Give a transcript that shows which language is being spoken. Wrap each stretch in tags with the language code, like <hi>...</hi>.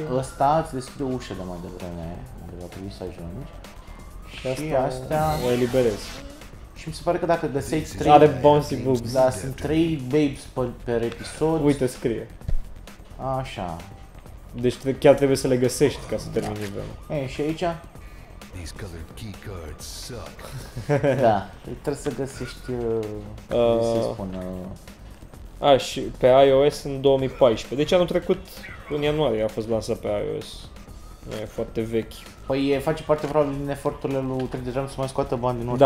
<ro>Ăsta îți deschide ușa de mai devreme, adică trebuie să ajungi. Și astea... O eliberez. Și mi se pare că dacă găsești trei...</ro> <en>Are bouncy boobs.</en> <ro>Da, sunt trei babes per episod. Uite, scrie. Așa. Deci chiar trebuie să le găsești ca să termini nivelul. E, și aici?</ro> <en>These colored key cards suck.</en> <ro>Da, trebuie să găsești... Cum să spun... A, și pe iOS în 2014. Deci anul trecut, în ianuarie, a fost lansat pe iOS. Nu e foarte vechi. Păi face parte vreo din eforturile lui 3D Realms să mai scoată bani din Da,</ro>